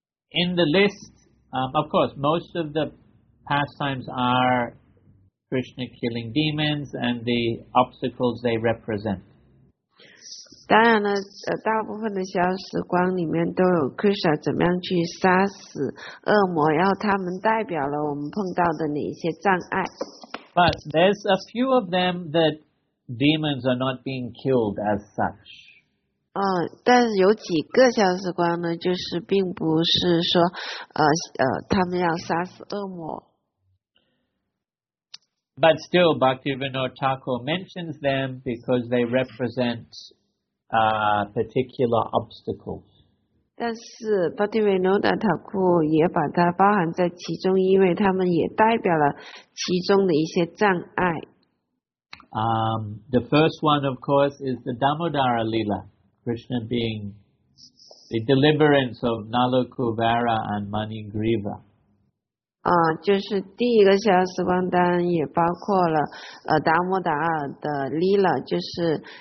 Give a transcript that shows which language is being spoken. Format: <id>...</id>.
<en>In the list, of course, most of the pastimes are Krishna killing demons and the obstacles they represent.</en> <zh>当然呢，大部分的消时光里面都有 Krishna 怎么样去杀死恶魔，然后他们代表了我们碰到的哪些障碍。</zh> <en>But there's a few of them that demons are not being killed as such.</en> <zh>但是有几个消时光呢，就是并不是说，他们要杀死恶魔。</zh> <en>But still, Bhaktivinoda Thakur mentions them because they represent. Particular obstacles.</en> <zh>但是 Bhaktivinoda Thakur 也把它包含在其中，因为他们也代表了其中的一些障碍。</zh> <en>The first one, of course, is the Damodara Lila, Krishna being the deliverance of Nalakuvara and Manigriva.</en> <zh>就是第一个消时光，当然也包括了达摩达尔的 Lila， 就是。</zh>